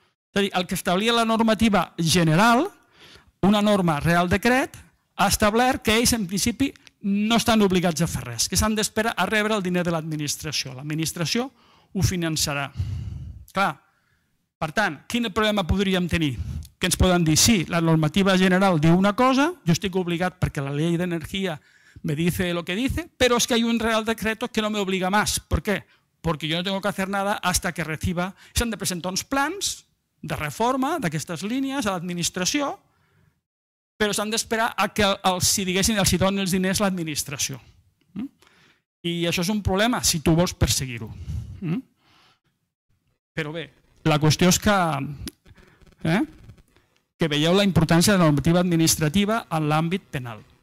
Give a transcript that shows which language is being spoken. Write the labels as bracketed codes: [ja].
[ca] És a dir, el que establia la normativa general, una norma real decret, ha establert que ells, en principi, no estan obligats a fer res, que s'han d'esperar a rebre el diner de l'administració. L'administració ho finançarà. Clar, per tant, quin problema podríem tenir? Que ens poden dir, sí, la normativa general diu una cosa, jo estic obligat perquè la llei d'energia [es] me dice lo que dice, [ca] però és que hi ha un real decreto que no m'obliga més. Per què? Perquè jo [es] no tengo que hacer nada hasta que reciba... [ca] S'han de presentar uns plans de reforma d'aquestes línies a l'administració, però s'han d'esperar a que els donin els diners a l'administració. I això és un problema si tu vols perseguir-ho. Però bé, la qüestió és que veieu la importància de la normativa administrativa en l'àmbit penal.